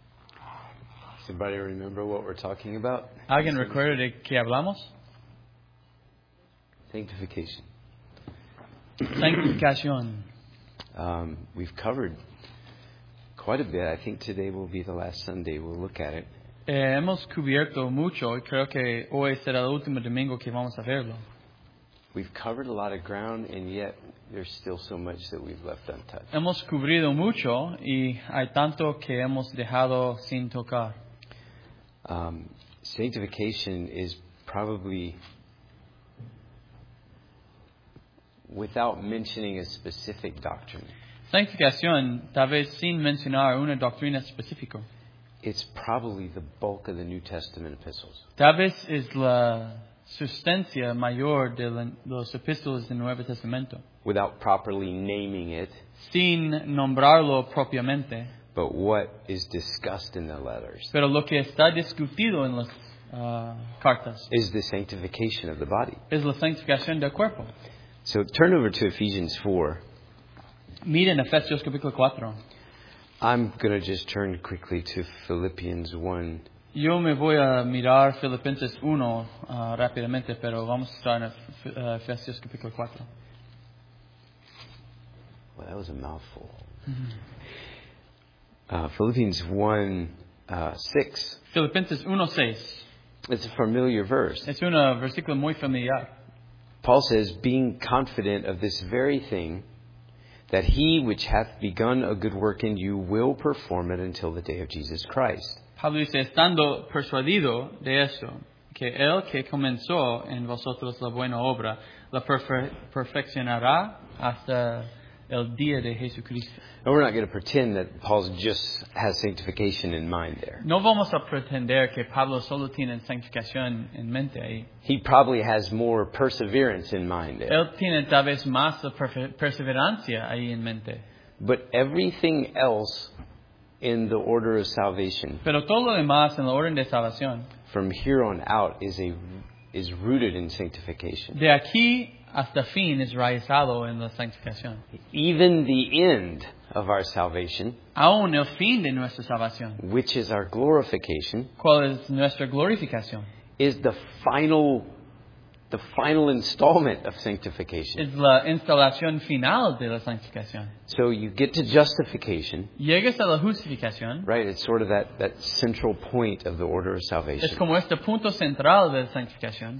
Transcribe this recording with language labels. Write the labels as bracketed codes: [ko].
[en] Does anybody remember what we're talking about? [es] ¿Alguien recuerda de qué hablamos? [en] Sanctification. [es] Sanctificación. [en] We've covered quite a bit. I think today will be the last Sunday we'll look at it. [es] Hemos cubierto mucho y creo que hoy será el último domingo que vamos a verlo. [en] We've covered a lot of ground and yet there's still so much that we've left untouched. [es] Hemos cubrido mucho y hay tanto que hemos dejado sin tocar. [en] Sanctification is probably, without mentioning a specific doctrine. [es] Sanctificación, tal vez sin mencionar una doctrina específica. [en] It's probably the bulk of the New Testament epistles. [es] Tal vez es la sustancia mayor de los epístolas del Nuevo Testamento. [en] Without properly naming it. [es] Sin nombrarlo propiamente. [en] But what is discussed in the letters? [es] Pero lo que está discutido en las cartas [en] is the sanctification of the body. [es] Es la santificación del cuerpo. [en] So turn over to Ephesians 4. [es] Miren Efesios capítulo 4. [en] I'm going to just turn quickly to Philippians 1. [es] Yo me voy a mirar Filipenses 1 rápidamente, pero vamos a estar en Efesios capítulo 4. [en] Well, that was a mouthful. Philippians 1, 6. [es] Filipenses 1, 6. [en] It's a familiar verse. [es] Es un versículo muy familiar. [en] Paul says, being confident of this very thing, that he which hath begun a good work in you will perform it until the day of Jesus Christ. [es] Pablo dice, estando persuadido de eso, que el que comenzó en vosotros la buena obra, la perfeccionará hasta el día de Jesucristo. [en] Now we're not going to pretend that Paul just has sanctification in mind there. [es] No vamos a pretender que Pablo solo tiene sanctificación en mente ahí. [en] He probably has more perseverance in mind there. [es] Él tiene tal vez más perseverancia ahí en mente. [en] But everything else in the order of salvation. [es] Pero todo lo demás en la orden de salvación. [en] From here on out is rooted in sanctification. [es] De aquí hasta fin es realizado en la santificación. [en] Even the end of our salvation, [es] aún el fin de nuestra salvación, [en] which is our glorification, [es] cuál es nuestra glorificación, [en] is the final installment of sanctification. [es] Es la instalación final de la santificación. [en] So you get to justification. [es] Llegas a la justificación. [en] Right, it's sort of that central point of the order of salvation. [es] Es como este punto central de la santificación.